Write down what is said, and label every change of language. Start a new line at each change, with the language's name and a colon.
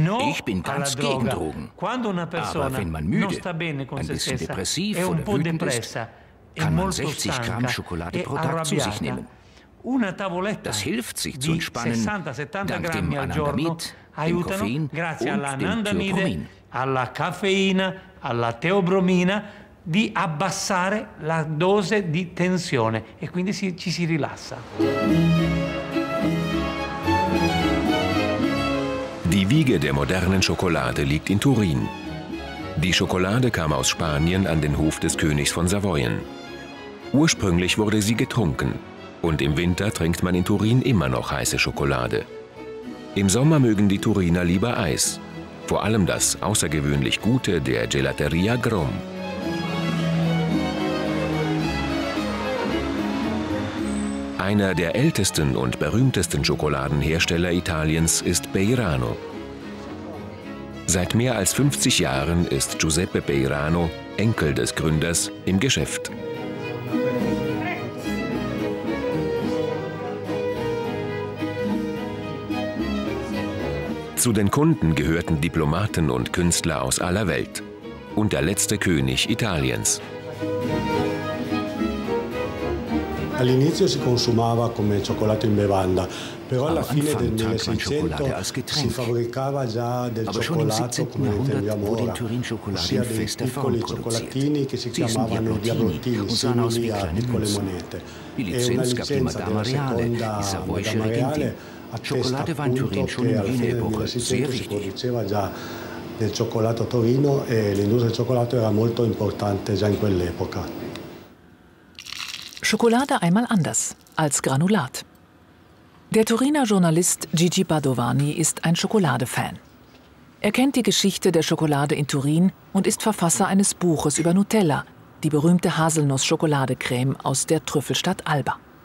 German: Ich bin ganz gegen Drogen. Aber wenn man müde, ein bisschen depressiv oder wütend ist, kann man 60 Gramm Schokolade pro Tag zu sich nehmen. Das hilft, sich zu entspannen, dank dem Anandamid, dem Koffein und dem Theobromin.
Italian: Alla caffeina, alla teobromina, di abbassare la dose di tensione e quindi ci si rilassa.
German: Die Wiege der modernen Schokolade liegt in Turin. Die Schokolade kam aus Spanien an den Hof des Königs von Savoyen. Ursprünglich wurde sie getrunken und im Winter trinkt man in Turin immer noch heiße Schokolade. Im Sommer mögen die Turiner lieber Eis. Vor allem das außergewöhnlich Gute der Gelateria Grom. Einer der ältesten und berühmtesten Schokoladenhersteller Italiens ist Beirano. Seit mehr als 50 Jahren ist Giuseppe Beirano, Enkel des Gründers, im Geschäft. Zu den Kunden gehörten Diplomaten und Künstler aus aller Welt. Und der letzte König Italiens.
Italian: All'inizio si consumava come cioccolato in bevanda. Però alla fine del 1600 si fabbricava già del cioccolato come intendiamo ora, ossia dei piccoli cioccolatini che si chiamavano diablottini, simili a piccole monete. E una licenza della seconda Savoia Reale.
German: Schokolade war in Turin schon in jener Epoche sehr wichtig.
Italian: Del cioccolato Torino e l'industria del cioccolato era molto importante già in quell'epoca.
German: Schokolade einmal anders, als Granulat. Der Turiner Journalist Gigi Padovani ist ein Schokoladefan. Er kennt die Geschichte der Schokolade in Turin und ist Verfasser eines Buches über Nutella, die berühmte Haselnuss-Schokoladecreme aus der Trüffelstadt Alba.